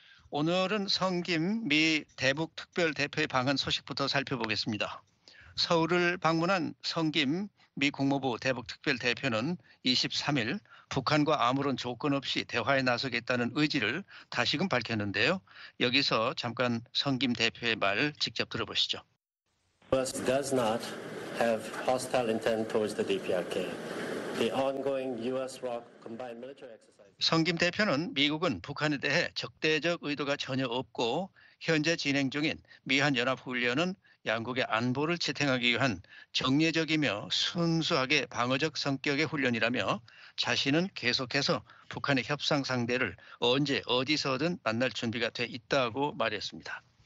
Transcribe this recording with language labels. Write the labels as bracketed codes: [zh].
[ko] 오늘은 성김 미 대북특별대표의 방한 소식부터 살펴보겠습니다. 서울을 방문한 성김 미 국무부 대북특별대표는 23일 북한과 아무런 조건 없이 대화에 나서겠다는 의지를 다시금 밝혔는데요. 여기서 잠깐 성김 대표의 말 직접 들어보시죠. [en] US does not have hostile intent towards the DPRK. The ongoing US ROC combined military exercise. [ko] 성김 대표는 미국은 북한에 대해 적대적 의도가 전혀 없고 현재 진행 중인 미한 연합 훈련은 양국의 안보를 지탱하기 위한 정례적이며 순수하게 방어적 성격의 훈련이라며 자신은 계속해서 북한의 협상 상대를 언제 어디서든 만날 준비가 돼 있다고 말했습니다.